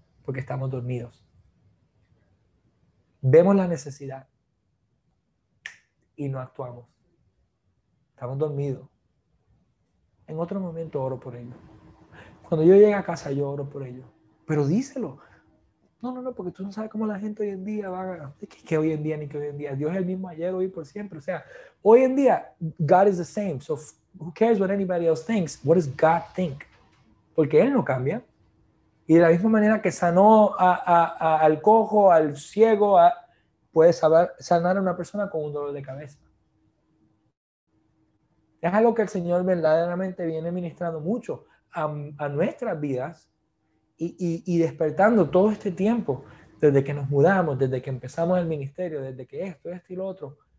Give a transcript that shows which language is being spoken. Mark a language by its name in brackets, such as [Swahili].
[Spanish] Porque estamos dormidos. Vemos la necesidad y no actuamos. Estamos dormidos. En otro momento oro por ello. Cuando yo llegue a casa, yo oro por ello. Pero díselo. No, no, no, porque tú no sabes cómo la gente hoy en día va a... Que hoy en día, ni que hoy en día. Dios es el mismo ayer, hoy, por siempre. O sea, hoy en día, [English] God is the same. So, who cares what anybody else thinks? What does God think? [Spanish] Porque Él no cambia. Y de la misma manera que sanó al cojo, al ciego, puede sanar a una persona con un dolor de cabeza. Es algo que el Señor verdaderamente viene ministrando mucho a nuestras vidas y despertando todo este tiempo, desde que nos mudamos, desde que empezamos el ministerio, desde que esto, esto y lo otro.